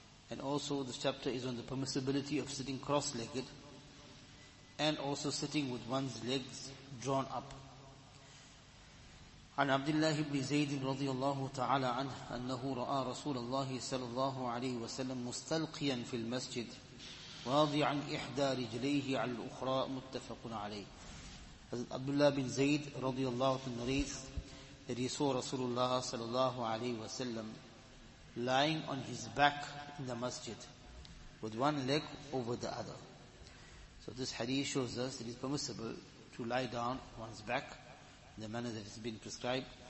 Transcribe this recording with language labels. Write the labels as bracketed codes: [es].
[en] And also this chapter is on the permissibility of sitting cross-legged and also sitting with one's legs drawn up. [ar] عن عبد الله بن زيد رضي الله تعالى عنه أنه رأى رسول الله صلى الله عليه وسلم مستلقيا في المسجد واضعا إحدى رجليه على الأخرى متفق عليه. [en] حضرت عبد الله بن زيد [ar] رضي الله عنه [en] narrates that he saw Rasulullah sallallahu alayhi wa sallam lying on his back in the masjid with one leg over the other. So this hadith shows us that it is permissible to lie down one's back in the manner that has been prescribed.